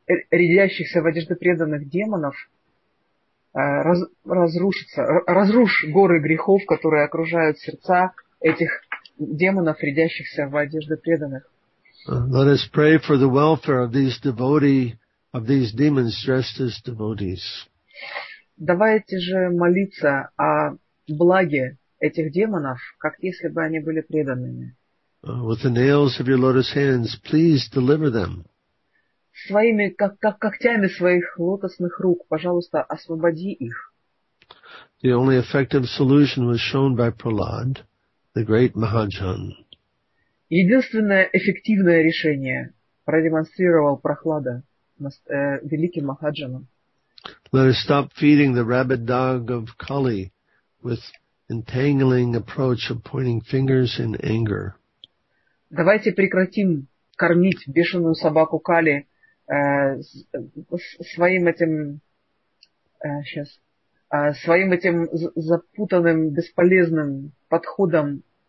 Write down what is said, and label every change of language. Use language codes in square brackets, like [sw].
[ru] рядящихся в одежды преданных демонов, разрушиться, разрушь горы грехов, которые окружают сердца этих демонов, рядящихся в одежды преданных. [en] Let us pray for the welfare of these devotees, of these demons dressed as devotees. [ru] Давайте же молиться о благе этих демонов, как если бы они были преданными. [en] With the nails of your lotus hands, please deliver them. [ru] Своими, как когтями своих лотосных рук, пожалуйста, освободи их. [en] The only effective solution was shown by Prahlad, the great Mahajan. [ru] Единственное эффективное решение продемонстрировал Прохлада, великим Махаджаном. [en] Let us stop feeding the rabid dog of Kali with entangling approach of pointing fingers in anger. [ru] Давайте прекратим кормить бешеную собаку Кали своим этим запутанным, бесполезным подходом.